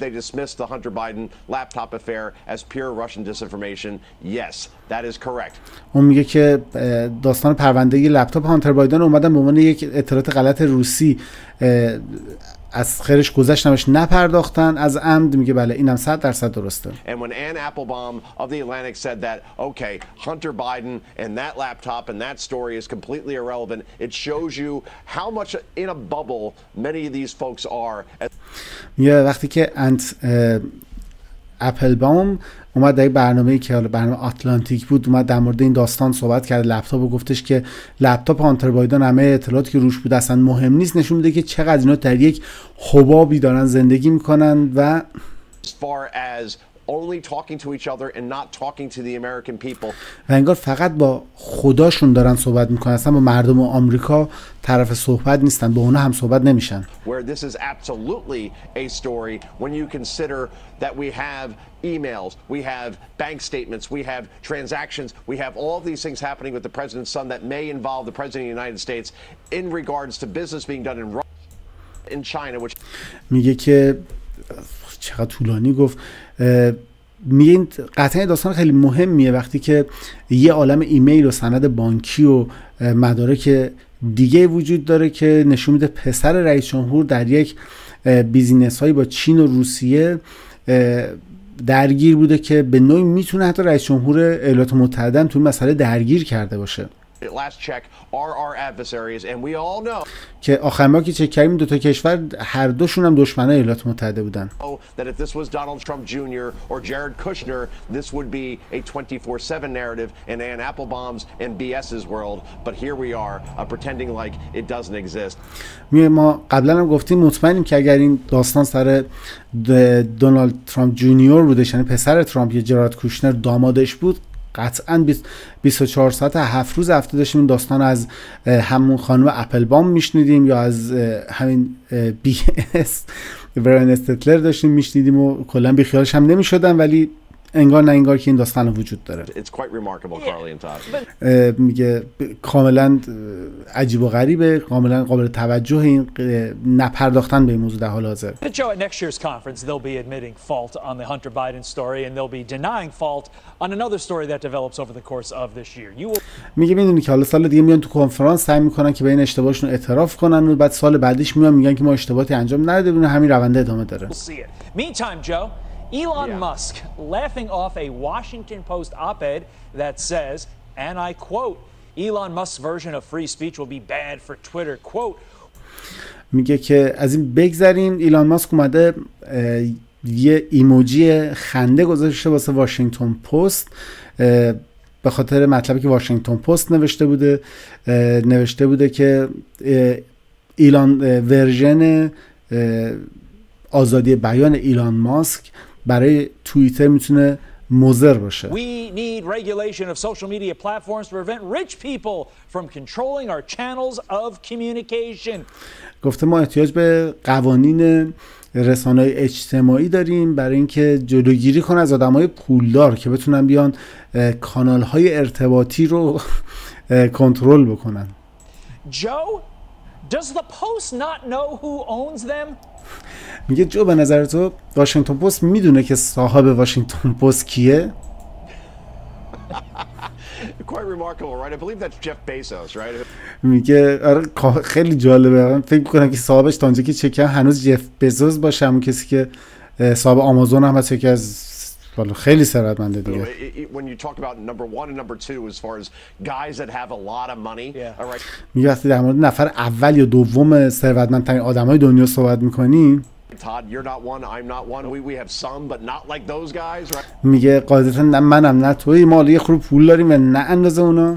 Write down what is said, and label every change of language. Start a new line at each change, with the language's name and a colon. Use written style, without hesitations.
English: They dismissed the Hunter Biden laptop affair as pure Russian disinformation. Yes, that is correct.
Persian: اون میگه که داستان پرونده لپتاپ هانتر بایدن اومدن به عنوان یک اطلاعات غلط روسی از خیرش گذشت نمش نپرداختن از عمد. میگه بله اینم 100% درسته.
English: And when Ann Applebaum of the Atlantic said that okay Hunter Biden and that laptop and that story is completely irrelevant, it shows you how much in a bubble many of these folks are.
Persian: میگه وقتی که انت اپلبام اومد در برنامه‌ای که حالا برنامه آتلانتیک بود اومد در مورد این داستان صحبت کرد، لپتاپ گفتش که لپتاپ هانتر بایدن همه اطلاعاتی که روش بود اصلا مهم نیست، نشون میده که چقدر اینا در یک حبابی دارن زندگی میکنن و
English: only talking to each other and not talking to the American people.
Persian: و انگار فقط با خداشون دارن صحبت میکنن، اصلا با مردم آمریکا طرف صحبت نیستن، با اونا هم صحبت نمیشن.
English: Where this is absolutely a story when you consider that we have emails, we have bank statements, we have transactions, we have all these things happening with the president's son that may involve the president of the United States in regards to business being done in China, which
Persian: میگه که چقدر طولانی گفت. میگه این قطعه داستان خیلی مهمیه وقتی که یه عالم ایمیل و سند بانکی و مدارک دیگه وجود داره که نشون میده پسر رئیس جمهور در یک بیزینس هایی با چین و روسیه درگیر بوده که به نوعی میتونه حتی رئیس جمهور ایالات متحده هم توی مسئله درگیر کرده باشه.
English: Last check are our adversaries and we all know
Persian: که آخر ما که چک کردیم دو تا کشور هر دوشون هم دشمنای ایالات متحده بودن.
English: That if this was Donald Trump Jr. or Jared Kushner, this would be a 24/7 narrative in Ann Applebaum's and BS's world, but here we are pretending like it doesn't exist.
Persian: ما قبلا هم گفتیم مطمئنیم که اگر این داستان سر دونالد ترامپ جونیور بودش، یعنی پسر ترامپ یا جارد کوشنر دامادش بود، قطعاً 24 ساعت 7 روز هفته داشتیم این داستان از همون خانم اپلبام میشنیدیم یا از همین بی اس ورن استتلر داشتیم میشنیدیم و کلاً بی خیالش هم نمی‌شدن، ولی انگار نه انگار که این داستان وجود داره. میگه کاملاً عجیب و غریبه، کاملاً قابل توجه این نپرداختن به این موضوع در حال حاضر.
English: At next year's conference they'll be admitting fault on the Hunter Biden story and they'll be denying fault on another story that develops over the course of this year.
Persian: میگه میدونی که حالا سال دیگه میان تو کنفرانس سعی میکنن که به این اشتباهشون اعتراف کنن و بعد سال بعدش میان میگن که ما اشتباهی انجام نداده بودیم، همین روند ادامه داره.
English: Meantime, Joe, Elon Musk laughing off a Washington Post op-ed that says, and I quote, Elon Musk's version of free speech will be bad for Twitter, quote.
Persian: میگه که از این بگذریم، ایلان ماسک اومده یه ایموجی خنده گذاشته واسه واشنگتن پست به خاطر مطلبی که واشنگتن پست نوشته بوده که ایلان ورژن آزادی بیان ایلان ماسک برای توییتر میتونه مضر باشه.
English: We need regulation of social media platforms to prevent rich people from controlling our channels of communication.
Persian: گفته ما احتیاج به قوانین رسانه اجتماعی داریم برای اینکه جلوگیری کنه از آدمای پولدار که بتونن بیان کانال های ارتباطی رو کنترل بکنن.
English: Joe, does the post not know who owns them?
Persian: میگه جو به نظر تو واشنگتن پست میدونه که صاحب واشنگتن پست کیه؟
English: Quite remarkable, right? I believe that's Jeff Bezos, right?
Persian: میگه آره خیلی جالبه، فکر میکنم که صاحبش تا اونجا که چکم هنوز جف بزوز باشه، همون کسی که صاحب آمازون هم هست، که از خیلی ثروتمنده دیگه.
English: When you talk about number 1 and number 2 as far as guys that have a lot of money. All right.
Persian: میگه وقتی در مورد نفر اول یا دوم ثروتمندترین آدمای دنیا صحبت می‌کنی،
English: Todd, you're not one, I'm not one. We have some but not like those guys, right?
Persian: میگه قاعدتاً نه منم نه توی مالی خوب پول داریم و نه اندازه اونا.